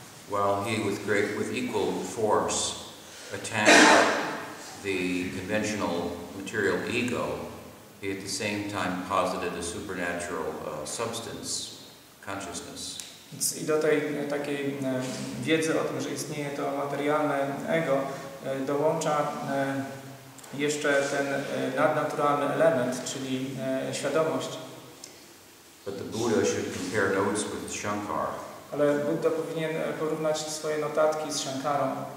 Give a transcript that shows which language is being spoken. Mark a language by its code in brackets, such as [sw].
[en] While he with equal force attacked the conventional material ego, he at the same time posited a supernatural substance, consciousness. [pl] I do tej takiej wiedzy o tym, że istnieje to materialne ego, dołącza jeszcze ten nadnaturalny element, czyli świadomość. [en] But the Buddha should compare notes with Shankar. [pl] Ale Buddha powinien porównać swoje notatki z Shankarą.